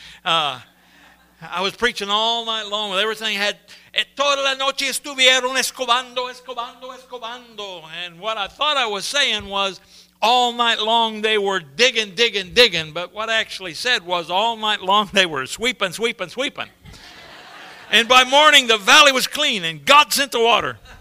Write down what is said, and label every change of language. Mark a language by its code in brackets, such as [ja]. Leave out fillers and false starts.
[en] I was preaching all night long with everything I had. [es] Toda la noche estuvieron escobando, escobando, escobando. [en] And what I thought I was saying was all night long they were digging, digging, digging. But what I actually said was all night long they were sweeping, sweeping, sweeping. And by morning, the valley was clean, and God sent the water.